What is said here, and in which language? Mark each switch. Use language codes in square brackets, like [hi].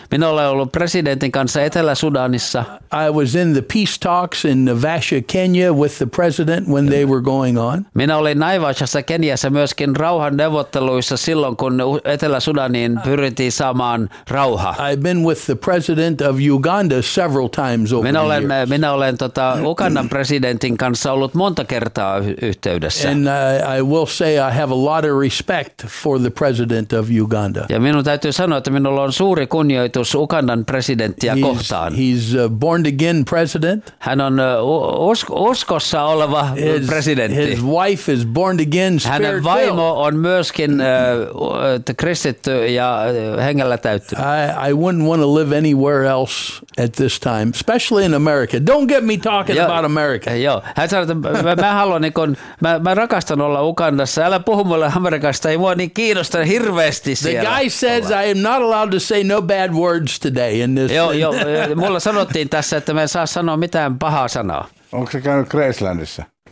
[fi] Minä olen ollut presidentin kanssa Etelä-Sudanissa. [en] I was in the peace talks in Naivasha, Kenya with the president when they were going on. [fi] Minä olin Naivashassa Keniassa myöskin rauhan neuvotteluissa silloin, kun Etelä-Sudaniin pyrittiin saamaan rauha. [en] I've been with the president of Uganda several times over. [fi] Minä olen Ugandan presidentin kanssa ollut monta kertaa yhteydessä. [en] And I will say I have a lot of respect for the president of Uganda. [fi] Ja minun täytyy sanoa, että minulla on suuri kunnioitus Ugandan presidenttiä kohtaan. [en] He's a born again president. [fi] Hän on uskossa oleva presidentti. [en] His wife is born again, spirit-filled. [fi] Hänen vaimo on myöskin kristitty ja hengellä täyttynyt. [en] I wouldn't want to live anywhere else at this time, especially in America. Don't get me talking about America. [fi] Joo. Hän sanoi, että mä rakastan olla Ugandassa. Älä puhu mulle Amerikasta. Ei mua niin kiinnosta hirveästi siellä. [en] The guy says I am not allowed to say no bad words today in this. [fi] Joo. Mulla sanottiin tässä, että mä en saa sanoa mitään pahaa sanaa. Onko se käynyt Gracelandissa?